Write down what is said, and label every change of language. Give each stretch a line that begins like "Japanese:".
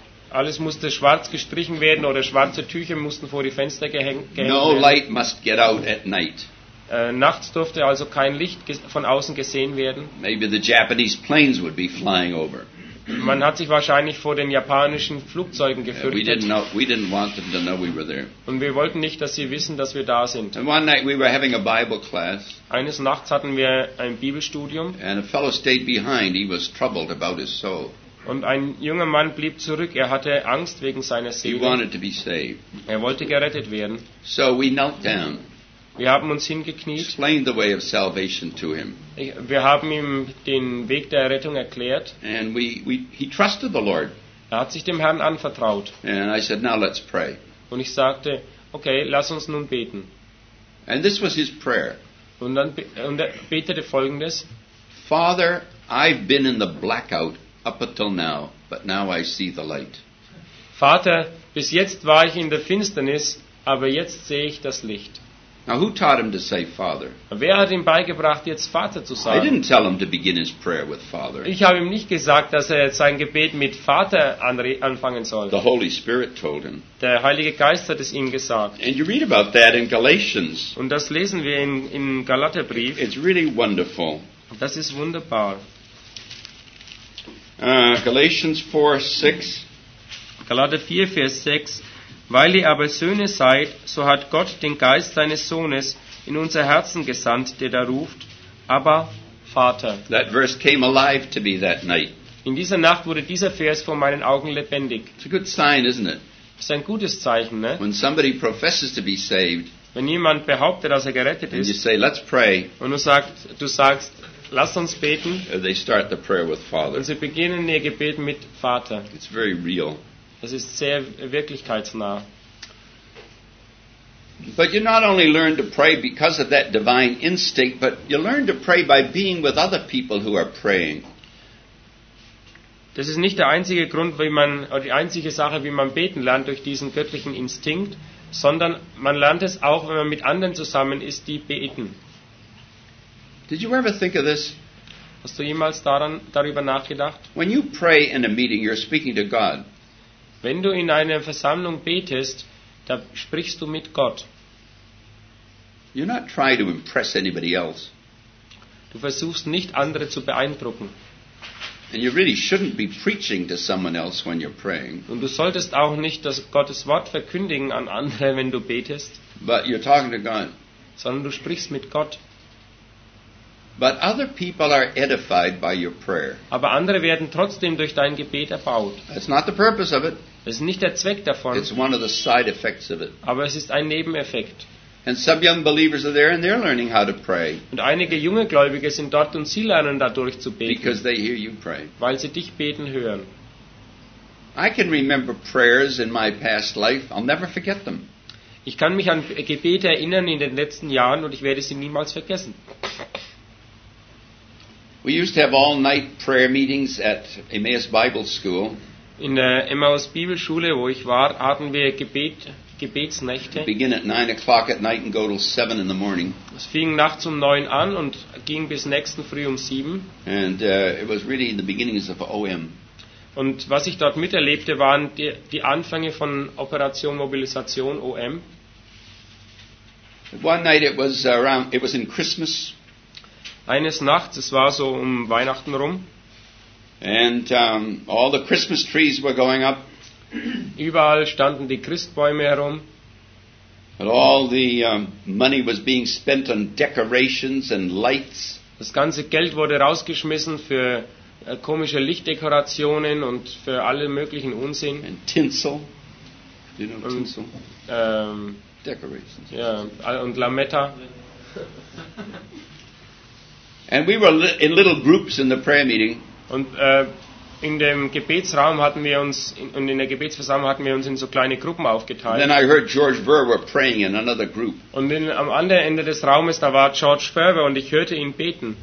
German: Alles musste schwarz gestrichen werden oder schwarze Tücher mussten vor die Fenster gehängt werden.
English: No light must get out at night.
German: Nachts durfte also kein Licht von außen gesehen werden.
English: Maybe the Japanese planes would be flying over.
German: Man hat sich wahrscheinlich vor den japanischen Flugzeugen gefürchtet.
English: We didn't want them to know we were there.
German: Und wir wollten nicht, dass sie wissen, dass wir da sind.
English: And one night we were having a Bible class.
German: Eines Nachts hatten wir ein Bibelstudium.
English: And a fellow stayed behind. He was troubled about his soul.
German: Und ein junger Mann blieb zurück. Er hatte Angst wegen seiner Seele.
English: He wanted to be saved.
German: Er wollte gerettet werden.
English: So we knelt down.
German: Wir haben uns hingekniet.
English: Explained the way of salvation to him.
German: Wir haben ihm den Weg der Errettung erklärt.
English: And he trusted the Lord.
German: Er hat sich dem Herrn anvertraut.
English: And I said, now let's pray.
German: Und ich sagte, okay, lass uns nun beten.
English: And this was his prayer.
German: Und er betete Folgendes.
English: Father, I've been in the blackout up until now, but now I see the light.
German: Vater, bis jetzt war ich in der Finsternis, aber jetzt sehe ich das Licht.
English: Now who taught him to say Father?
German: Wer hat ihm beigebracht, jetzt Vater zu sagen?
English: I didn't tell him to begin his prayer with Father.
German: Ich habe ihm nicht gesagt, dass er sein Gebet mit Vater anfangen soll.
English: The Holy Spirit told him.
German: Der Heilige Geist hat es ihm gesagt.
English: And you read about that in Galatians.
German: Und das lesen wir im Galaterbrief.
English: It's really wonderful.
German: Das ist wunderbar.
English: Galatians 4:6.
German: Galater 4, Vers 6. Weil ihr aber Söhne seid, so hat Gott den Geist seines Sohnes in unser Herzen gesandt, der da ruft, Abba, Vater.
English: That verse came alive to me that night.
German: In dieser Nacht wurde dieser Vers vor meinen Augen lebendig.
English: It's a good sign, isn't it?
German: Es ist ein gutes Zeichen, ne?
English: When somebody professes to be saved,
German: wenn jemand behauptet, dass er gerettet ist,
English: and you say, let's pray,
German: und du sagst, lass uns beten,
English: they start the prayer with Father.
German: Und sie beginnen ihr Gebet mit Vater.
English: It's very real.
German: Das ist sehr wirklichkeitsnah.
English: But you not only learn to pray because of that divine instinct, but you learn to pray by being with other people who are praying.
German: Das ist nicht der einzige Grund, wie man oder die einzige Sache, wie man beten lernt durch diesen göttlichen Instinkt, sondern man lernt es auch, wenn man mit anderen zusammen ist, die beten.
English: Did you ever think of this?
German: Hast du jemals darüber nachgedacht?
English: When you pray in a meeting, you're speaking to God.
German: Wenn du in einer Versammlung betest, da sprichst du mit Gott.
English: You're not trying to impress anybody else.
German: Du versuchst nicht, andere zu beeindrucken.
English: And you really shouldn't be preaching to someone else when you're praying.
German: Und du solltest auch nicht das Gottes Wort verkündigen an andere, wenn du betest.
English: But you're talking to God.
German: Sondern du sprichst mit Gott.
English: But other people are edified by your prayer.
German: Aber andere werden trotzdem durch dein Gebet erbaut.
English: It's not the purpose of it.
German: Es ist nicht der Zweck davon.
English: It's one of the side effects of it.
German: Aber es ist ein Nebeneffekt.
English: And some young believers are there and they're learning how to pray.
German: Und einige junge Gläubige sind dort und sie lernen dadurch zu beten.
English: Because they hear you pray.
German: Weil sie dich beten hören.
English: I can remember prayers in my past life. I'll never forget them.
German: Ich kann mich an Gebete erinnern in den letzten Jahren und ich werde sie niemals vergessen.
English: We used to have all-night prayer meetings at Emmaus Bible School.
German: In der Emmaus Bibelschule, wo ich war, hatten wir Gebetsnächte.
English: We begin at 9 o'clock at night and go till 7 in the morning.
German: Es fing nachts um 9 an und ging bis nächsten früh um 7.
English: And it was really the beginnings of OM.
German: Und was ich dort miterlebte, waren die Anfänge von Operation Mobilisation OM.
English: One night it was in Christmas.
German: Eines Nachts, es war so um Weihnachten rum.
English: And all the Christmas trees were going up.
German: Überall standen die Christbäume herum.
English: And all the money was being spent on decorations and lights.
German: Das ganze Geld wurde rausgeschmissen für komische Lichtdekorationen und für alle möglichen Unsinn.
English: And tinsel. Do you know tinsel?
German: Und,
English: decorations.
German: Ja, und Lametta.
English: And we were in little groups in the prayer meeting.
German: Und in dem Gebetsraum hatten wir uns und in der Gebetsversammlung hatten wir uns in so kleine Gruppen aufgeteilt.
English: Then I heard George Verwer praying in another group.
German: Und am anderen Ende des Raumes da war George Verwer und ich hörte ihn beten.